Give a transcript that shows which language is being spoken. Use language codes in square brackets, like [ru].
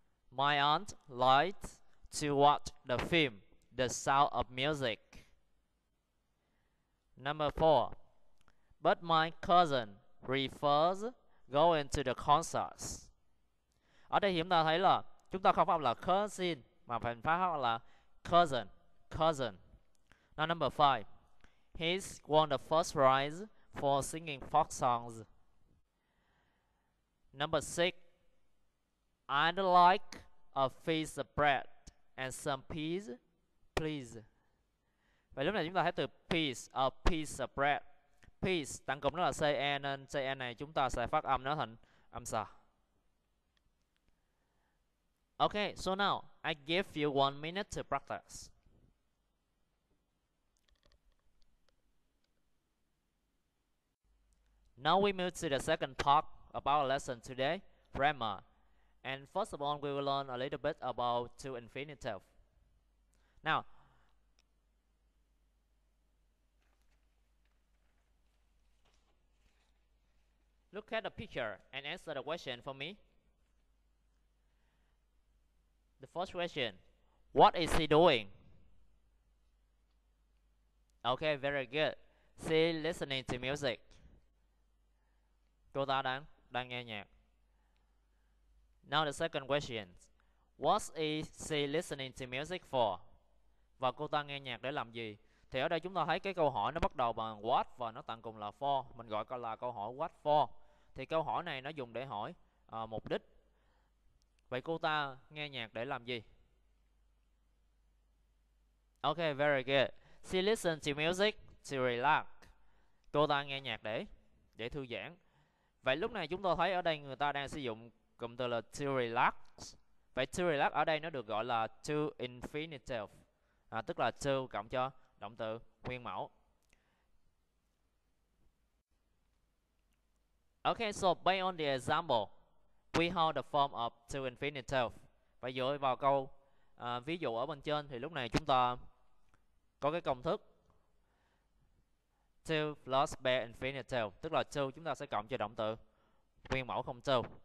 [en] My aunt likes to watch the film The Sound of Music. Number four. But my cousin prefers going to the concerts. [vi] Ở đây chúng ta thấy là chúng ta không phát âm là cousin mà phải phát âm là cousin, cousin. [en] Now number five, he's won the first prize for singing folk songs. Number six, I'd like a piece of bread and some peas, please. [vi] Vậy lúc này chúng ta thấy từ piece, [en] a piece of bread. [vi] Peace, tăng cụm đó là CE, nên CE này chúng ta sẽ phát âm nó thành âm sa. [en] Okay, so now I give you 1 minute to practice. Now we move to the second part about our lesson today, grammar. And first of all, we will learn a little bit about to infinitive. Now, look at the picture and answer the question for me. The first question, what is she doing? Okay, very good. She listening to music. [vi] Cô ta đang nghe nhạc. [en] Now the second question, what is she listening to music for? [vi] Và cô ta nghe nhạc để làm gì? Thì ở đây chúng ta thấy cái câu hỏi nó bắt đầu bằng what và nó tặng cùng là for. Mình gọi là câu hỏi what for. Thì câu hỏi này nó dùng để hỏi mục đích. Vậy cô ta nghe nhạc để làm gì? [en] Okay, very good. She listens to music to relax. [vi] Cô ta nghe nhạc để thư giãn. Vậy lúc này chúng ta thấy ở đây người ta đang sử dụng cụm từ là to relax. Vậy to relax ở đây nó được gọi là to infinitive. Tức là to cộng cho động từ nguyên mẫu. [en] Okay, so based on the example, we hold the form of to infinitive. [vi] Và dựa vào câu ví dụ ở bên trên thì lúc này chúng ta có cái công thức to plus bare infinitive, tức là to chúng ta sẽ cộng cho động từ nguyên mẫu không to.